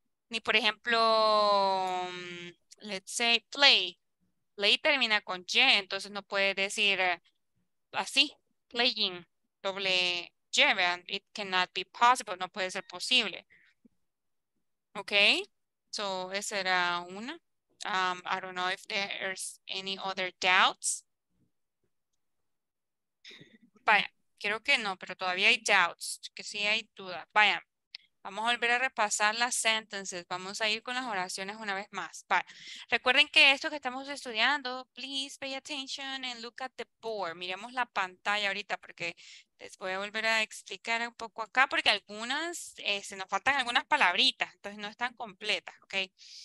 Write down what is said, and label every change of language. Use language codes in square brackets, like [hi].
[es] Ni por ejemplo, [en] let's say play. [es] Play termina con Y, entonces no puedes decir así, playing, doble Y, ¿verdad? [en] It cannot be possible, [es] no puede ser posible. Ok, so esa era una. [en] I don't know if there's any other doubts. Bye. [es] Creo que no, pero todavía hay doubts, que sí hay dudas. Vaya, vamos a volver a repasar las sentences. Vamos a ir con las oraciones una vez más. Vaya. Recuerden que esto que estamos estudiando, [en] please pay attention and look at the board. [es] Miremos la pantalla ahorita porque les voy a volver a explicar un poco acá porque algunas, se nos faltan algunas palabritas, entonces no están completas, ¿ok?